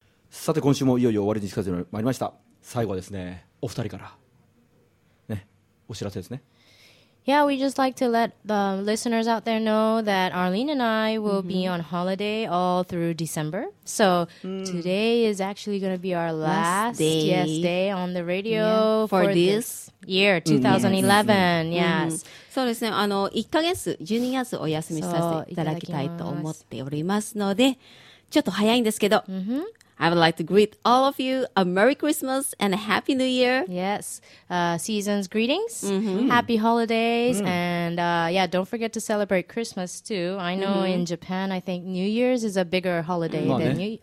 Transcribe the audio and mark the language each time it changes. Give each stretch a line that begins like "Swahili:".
Japanese: さて今週もいよいよ終わりに近づいてまいりました。最後はですね、お二人から、ね、お知らせですね。
English: Yeah, we just like to let the listeners out there know that Arlene and I will、mm-hmm. be on holiday all through December. So、today is actually going to be our last day. Yes, day on the radio、 yeah. for this year 2011、mm-hmm. Yes、mm-hmm.
Japanese: そうですね、あの1ヶ月12月お休みさせていただきたいと思っておりますので、ちょっと早いんですけど、 mm-hmm.
English: I would like to greet all of you a Merry Christmas and a Happy New Year. Yes, season's greetings,、mm-hmm. happy holidays,、mm-hmm. and、yeah, don't forget to celebrate Christmas too. I know、mm-hmm. in Japan, I think New Year's is a bigger holiday、mm-hmm.